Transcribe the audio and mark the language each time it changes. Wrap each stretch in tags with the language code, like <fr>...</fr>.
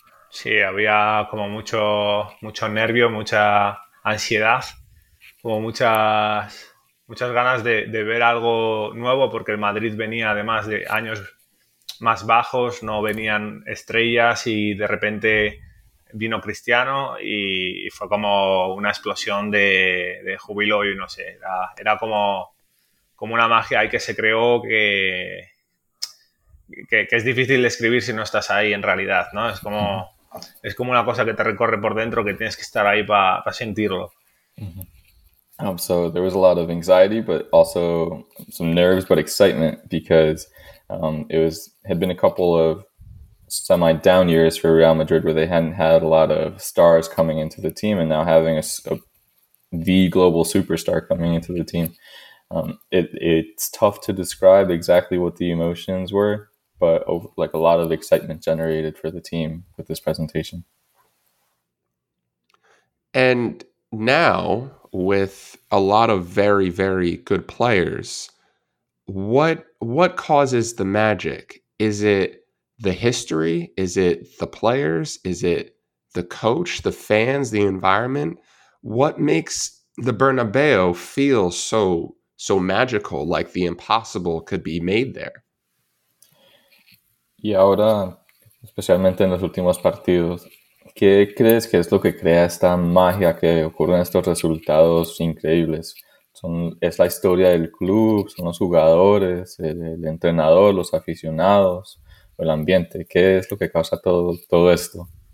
<es>Sí, había como mucho nervio, mucha ansiedad, como muchas ganas de ver algo nuevo, porque el Madrid venía además de años más bajos, no venían estrellas, y de repente vino Cristiano y fue como una explosión de júbilo, y no sé, era como una magia ahí que se creó que es difícil describir si no estás ahí en realidad, ¿no? Es como una cosa que te recorre por dentro, que tienes que estar ahí para sentirlo. Mm-hmm.</es> <en>So there was a lot of anxiety, but also some nerves, but excitement, because it had been a couple of semi-down years for Real Madrid where they hadn't had a lot of stars coming into the team, and now having the global superstar coming into the team, it's tough to describe exactly what the emotions were, but like a lot of excitement generated for the team with this presentation. And now, with a lot of very, very good players, what causes the magic? Is it the history? Is it the players? Is it the coach, the fans, the environment? What makes the Bernabeu feel so magical, like the impossible could be made there?</en> <es>Y ahora, especialmente en los últimos partidos, ¿qué crees que es lo que crea esta magia que ocurren estos resultados increíbles? ¿Es la historia del club? ¿Son los jugadores? ¿El entrenador? ¿Los aficionados? ¿O el ambiente? ¿Qué es lo que causa todo esto?</es>